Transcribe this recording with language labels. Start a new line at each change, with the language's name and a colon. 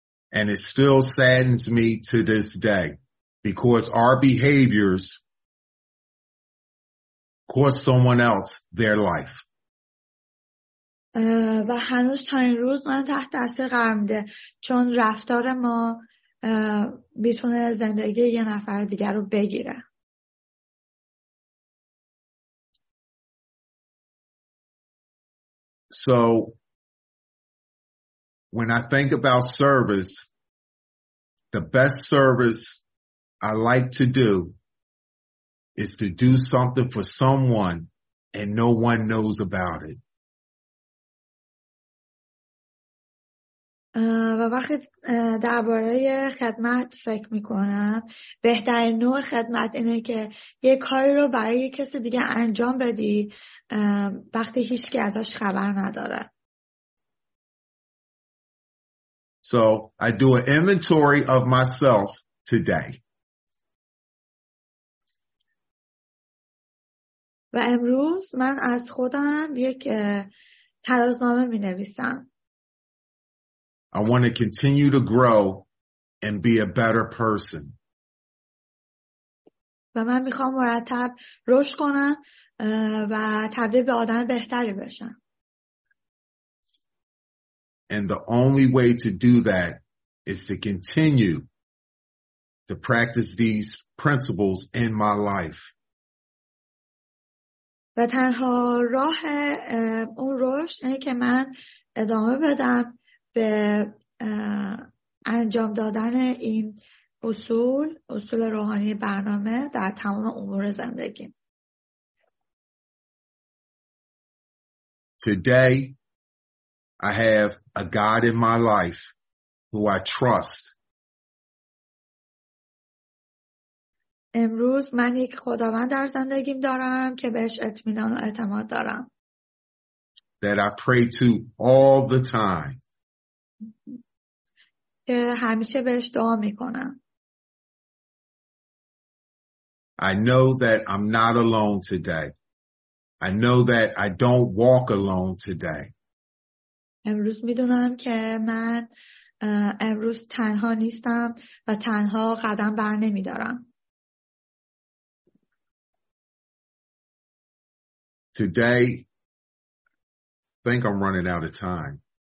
English: And it still saddens me to this day because our behaviors cost someone else their life.
Persian: و هنوز تا این روز من تحت تاثیر قرار میده، چون رفتار ما میتونه زندگی یه نفر دیگر رو بگیره.
English: So when I think about service, the best service I like to do is to do something for someone and no one knows about it.
Persian: و وقتی درباره خدمت فکر میکنم، بهترین نوع خدمت اینه که یه کاری رو برای یه کس دیگه انجام بدی وقتی هیچ کی ازش خبر نداره.
English: So I do an inventory of myself today.
Persian: و امروز من از خودم یک ترازنامه مینویسم.
English: I want to continue to grow and be a better person.
Persian: و من میخوام مرتب رشد کنم و تبدیل به آدم بهتری بشم.
English: And the only way to do that is to continue to practice these principles in my life.
Persian: و تنها راه اون رشد اینه که من ادامه بدم به انجام دادن این اصول، اصول روحانی برنامه در تمام امور زندگی.
English: Today I have a God in my life who I trust.
Persian: امروز من یک خداوند در زندگیم دارم که بهش اطمینان و اعتماد دارم.
English: That I pray to all the time.
Persian: همیشه بهش دعا میکنم.
English: I know that I'm not alone today. I know that I don't walk alone today.
Persian: امروز میدونم که من امروز تنها نیستم و تنها قدم بر نمیدارم.
English: Today, I think I'm running out of time.